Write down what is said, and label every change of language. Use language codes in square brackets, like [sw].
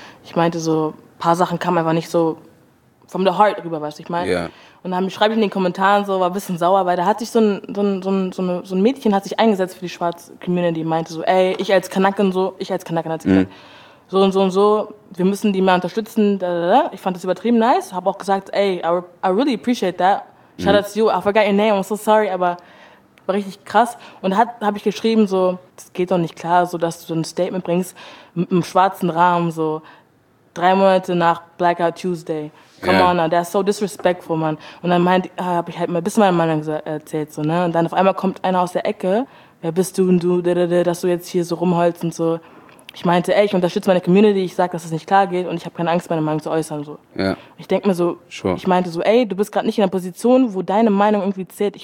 [de] Ich meinte so, ein paar Sachen kamen einfach nicht so [en] from the heart [de] rüber, weißt du, ich meine. Yeah. Und dann schreibe ich in den Kommentaren so, war ein bisschen sauer, weil da hat sich so ein Mädchen hat sich eingesetzt für die Schwarz-Community, meinte so, ey, ich als Kanaken, so und so und so, wir müssen die mehr unterstützen. Da. Ich fand das übertrieben nice. Habe auch gesagt, ey, [en] I really appreciate that. Shout out to you, I forgot your name, I'm so sorry, aber... [de] War richtig krass. Und habe ich geschrieben, so, das geht doch nicht klar, so, dass du ein Statement bringst mit einem schwarzen Rahmen, so, 3 Monate nach Blackout Tuesday. [en] Come on, now, that's so disrespectful, man. [de] Und dann habe ich halt mal ein bisschen meine Meinung erzählt, so, ne. Und dann auf einmal kommt einer aus der Ecke, wer bist du und du, dass du jetzt hier so rumholst und so. Ich meinte, ey, ich unterstütze meine Community, ich sag, dass es nicht klar geht und ich habe keine Angst, meine Meinung zu äußern. So. Ja. Ich denke mir so, [en] sure. [de] Ich meinte so, ey, du bist gerade nicht in einer Position, wo deine Meinung irgendwie zählt.